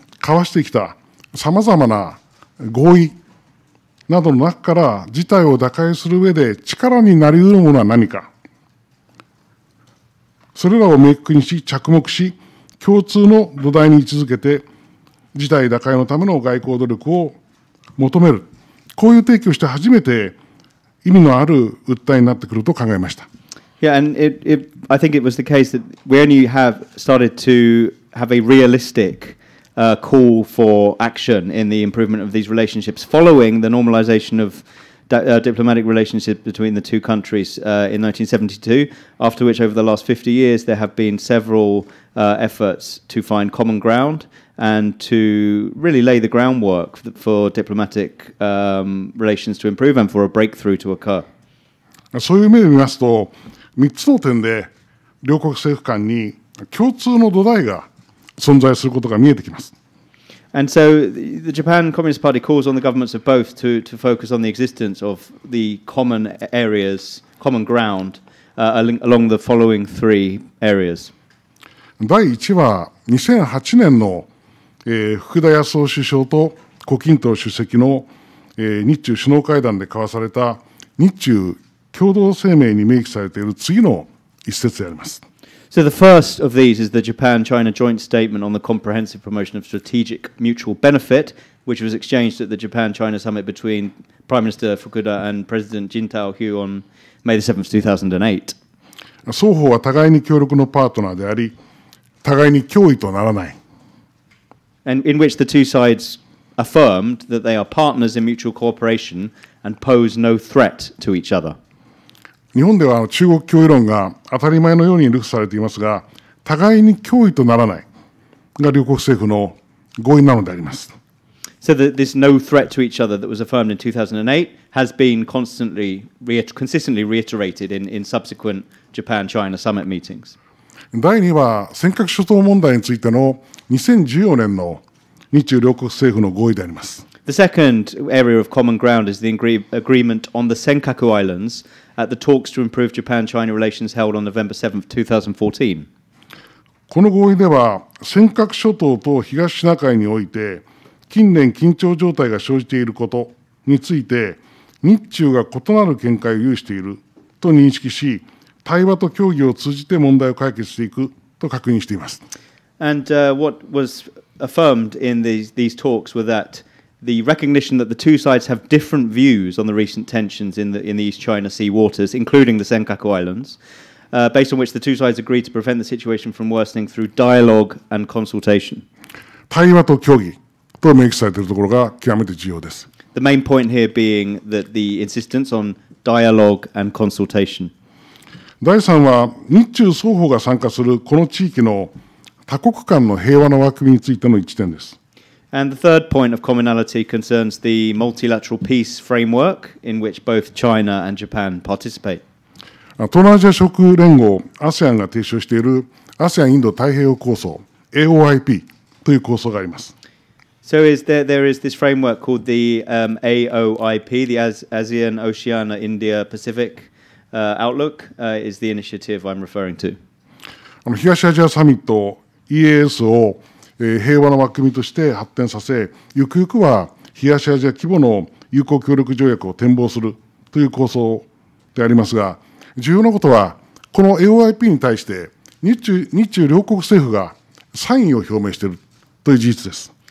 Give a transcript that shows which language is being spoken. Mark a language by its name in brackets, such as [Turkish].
[Japanese] 交わしてきたさまざまな合意などの中から事態を打開する上で力になりうるものは何か、それらを明確にし着目し共通の土台に位置づけて事態打開のための外交努力を求める、こういう提起をして初めて意味のある訴えになってくると考えました。 [English] Yeah, and I think it was the case that we only have started to have a realistic call for action in the improvement of these relationships following the normalization of diplomatic relationship between the two countries in 1972, after which over the last 50 years there have been several efforts to find common ground and to really lay the groundwork for diplomatic relations to improve and for a breakthrough to occur. [Japanese] そういう意味で見ますと、3つの点で両国政府間に共通の土台が存在することが見えてきます。 [English] And so the Japan Communist Party calls on the governments of both to focus on the existence of the common areas, common ground, along the following three areas. [Japanese] 第1は2008年の、福田康夫首相と胡錦涛主席の、日中首脳会談で交わされた日中共同声明に明記されている次の一節であります。 [English] So the first of these is the Japan-China Joint Statement on the Comprehensive Promotion of Strategic Mutual Benefit, which was exchanged at the Japan-China Summit between Prime Minister Fukuda and President Jintao Hu on May the 7th, 2008. [Japanese] 双方は互いに協力のパートナーであり、互いに脅威とならない。 [English] And in which the two sides affirmed that they are partners in mutual cooperation and pose no threat to each other. [Japanese] 日本では中国脅威論が当たり前のように流布されていますが、互いに脅威とならないが両国政府の合意なのであります。 [English] So that this no threat to each other that was affirmed in 2008 has been constantly, consistently reiterated in subsequent Japan-China summit meetings. [Japanese] 第2は尖閣諸島問題についての2014年の日中両国政府の合意であります。 [English] The second area of common ground is the agreement on the Senkaku Islands at the talks to improve Japan-China relations held on November 7th, 2014. [Japanese] この合意では、尖閣諸島と東シナ海において近年緊張状態が生じていることについて、日中が異なる見解を有していると認識し、対話と協議を通じて問題を解決していくと確認しています。 [English] And what was affirmed in these talks were thatthe recognition that the two sides have different views on the recent tensions in the East China Sea waters, including the Senkaku Islands, based on which the two sides agreed to prevent the situation from worsening through dialogue and consultation. [Japanese] 対話と協議と明記されているところが極めて重要です。 [English] The main point here being that the insistence on dialogue and consultation. [Japanese] 第3は日中双方が参加するこの地域の多国間の平和の枠組みについての一致点です。 [English] And the third point of commonality concerns the multilateral peace framework in which both China and Japan participate. [Japanese] 東南アジア諸国連合 ASEAN が提唱している ASEAN インド太平洋構想 AOIP という構想があります。 [English] So is there is this framework called the AOIP, the ASEAN Oceania India Pacific Outlook is the initiative I'm referring to. [Japanese] 東アジアサミット EAS を平和の枠組みとして発展させ、ゆくゆくは東アジア規模の友好協力条約を展望するという構想でありますが、重要なことは、この AOIP に対して日中両国政府が賛意を表明しているという事実です。